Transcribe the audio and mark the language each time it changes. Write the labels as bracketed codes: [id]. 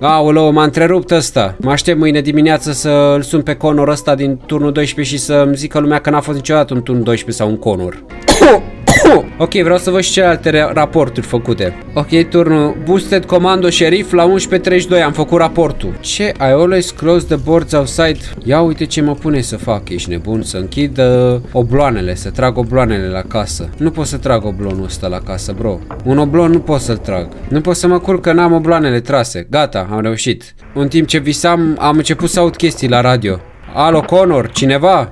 [ro] Aoleu, m-a întrerupt ăsta. Mă aștept mâine dimineață să-l sun pe Conor ăsta din turnul 12 și să-mi zică lumea că n-a fost niciodată un turnul 12 sau un Conor. Ok, vreau să văd și celelalte raporturi făcute. Ok, turnul Busted Commando Sheriff la 11.32 am făcut raportul. Ce? [en] I always close the boards outside. [ro] Ia uite ce mă pune să fac, ești nebun, să închid obloanele, să trag obloanele la casă. Nu pot să trag oblonul ăsta la casă, bro. Un oblon nu pot să-l trag. Nu pot să mă culc că n-am obloanele trase. Gata, am reușit. În timp ce visam, am început să aud chestii la radio. Alo, Conor, cineva?